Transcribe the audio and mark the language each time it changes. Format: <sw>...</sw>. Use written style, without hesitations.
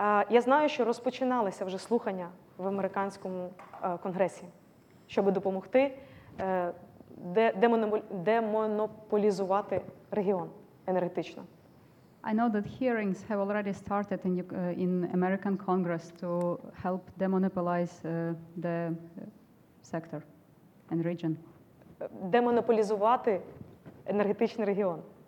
<uk>Я знаю, що розпочиналися вже слухання в американському конгресі, щоб допомогти демонополізувати регіон енергетично.</uk> <en>I know that hearings have already started in American Congress to help demonopolize the sector and region.</en> <uk>Демонополізувати енергетичний регіон.</uk>